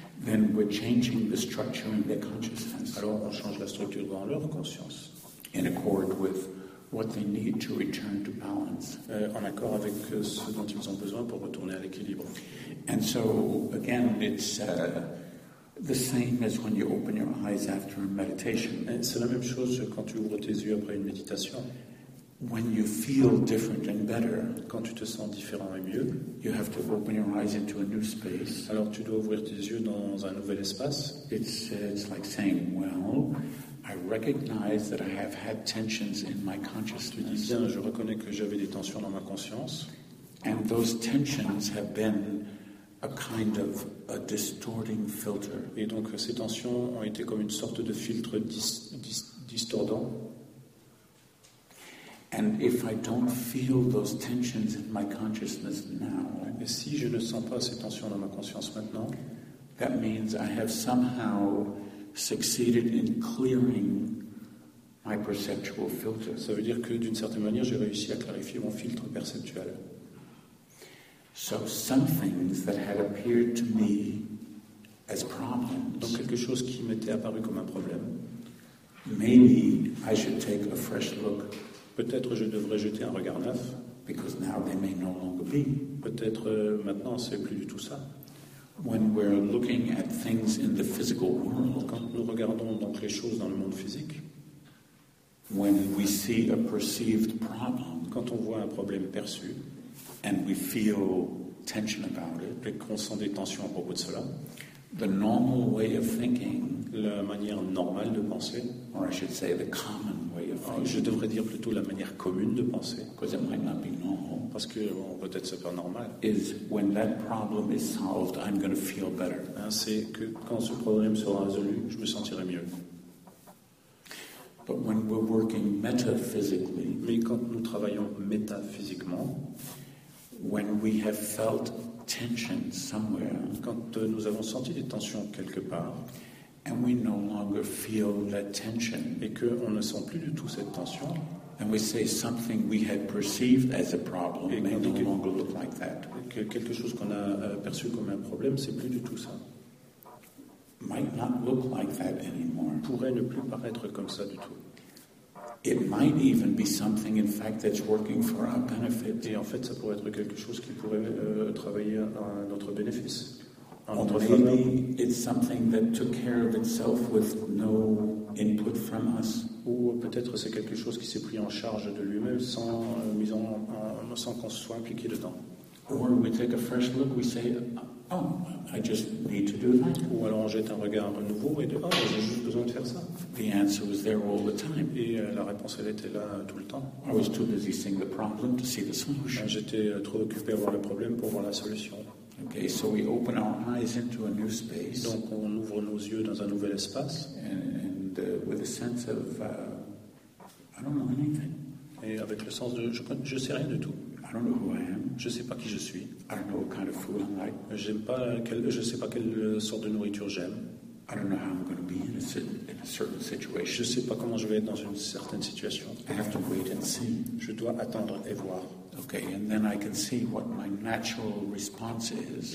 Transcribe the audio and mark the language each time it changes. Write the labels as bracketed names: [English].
[English] then we're changing the structure in their consciousness. [French] Alors on change la structure dans leur conscience. [English] In accord with what they need to return to balance. [French] En accord avec ce dont ils ont besoin pour retourner à l'équilibre. [English] And so again, it's the same as when you open your eyes after a meditation. [French] Et c'est la même chose quand tu ouvres tes yeux après une méditation. [English] When you feel different and better, [French] quand tu te sens différent et mieux, [English] you have to open your eyes into a new space. [French] Alors tu dois ouvrir tes yeux dans un nouvel espace. [English] It's like saying, well, I recognize that I have had tensions in my consciousness. [French] Bien, je reconnais que j'avais des tensions dans ma conscience. [English] And those tensions have been a kind of a distorting filter. [French] Et donc ces tensions ont été comme une sorte de filtre distordant. [English] And if I don't feel those tensions in my consciousness now, [French] et si je ne sens pas ces tensions dans ma conscience maintenant, [English] that means I have somehow succeeded in clearing my perceptual filter. [French] Ça veut dire que d'une certaine manière, j'ai réussi à clarifier mon filtre perceptuel. [English] So some things that had appeared to me as problems, [French] donc quelque chose qui m'était apparu comme un problème, [English] maybe I should take a fresh look. [French] Peut-être je devrais jeter un regard neuf. [English] Because now they may no longer be. [French] Peut-être maintenant c'est plus du tout ça. [English] When we're looking at things in the physical world, [French] quand nous regardons donc les choses dans le monde physique, [English] when we see a perceived problem, [French] quand on voit un problème perçu, [English] and we feel tension about it, [French] et qu'on sent des tensions à propos de cela, [English] the normal way of thinking, [French] la manière normale de penser, [English] or I should say the common. [French] Je devrais dire plutôt la manière commune de penser, [English] normal, [French] parce que bon, peut-être c'est pas normal. [English] Is when that problem is solved, I'm going to feel better. [French] Hein, c'est que quand ce problème sera résolu, je me sentirai mieux. [English] But when we're working metaphysically, [French] mais quand nous travaillons métaphysiquement, [English] when we have felt tension somewhere, [French] quand nous avons senti des tensions quelque part. [English] And we no longer feel that tension. [French] Et qu'on ne sent plus du tout cette tension. [English] And we say something we had perceived as a problem may no longer look like that. [French] Que quelque chose qu'on a perçu comme un problème, c'est plus du tout ça. [English] Might not look like that anymore. [French] Pourrait ne plus paraître comme ça du tout. [English] It might even be something, in fact, that's working for our benefit. [French] Et en fait, ça pourrait être quelque chose qui pourrait travailler à notre bénéfice. [English] Or maybe it's something that took care of itself with no input from us. [French] Ou peut-être c'est quelque chose qui s'est pris en charge de lui-même sans mise en sans qu'on se soit impliqué dedans. [English] Or we take a fresh look, we say, oh, I just need to do that. [French] Ou alors on jette un regard nouveau et dit, oh, j'ai juste besoin de faire ça. [English] The answer was there all the time. [French] Et la réponse elle était là tout le temps. [English] I was too busy seeing the problem to see the solution. [French] J'étais trop occupé à voir le problème pour voir la solution. [English] Okay, so we open our eyes into a new space. [French] Donc on ouvre nos yeux dans un nouvel espace. [English] And with a sense of I don't know anything. [French] Et avec le sens de je sais rien du tout. [English] I don't know who I am. [French] Je sais pas qui je suis. [English] I don't know what kind of food I'm like. [French] J'aime pas je sais pas quelle sorte de nourriture j'aime. [English] I don't know how I'm going to be in a certain situation. [French] Je sais pas comment je vais être dans une certaine situation. [English] I have to wait and see. [French] Je dois attendre et voir. [English] Okay, and then I can see what my natural response is.